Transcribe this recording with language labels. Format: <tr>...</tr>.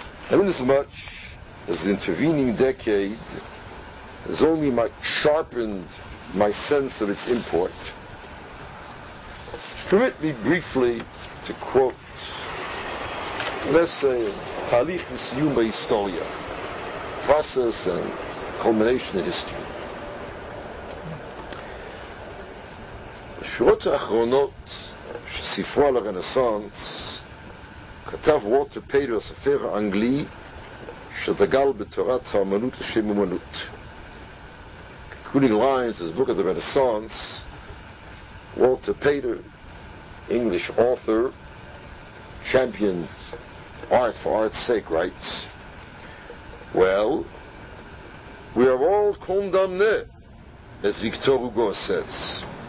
<en>And inasmuch as the intervening decade has only sharpened my sense of its import, permit me briefly to quote an essay of Talich V'Siyum Historia, Process and Culmination in History.</en> <he>בשורות האחרונות של ספרו על הרנסנס כתב וולטר פיירו, הסופר האנגלי שדגל בתורת האמנות לשם אמנות.</he> <en>Concluding lines of his book of the Renaissance, Walter Pater, English author, championed art for art's sake writes, well, we are all condamned, as Victor Hugo says.</en>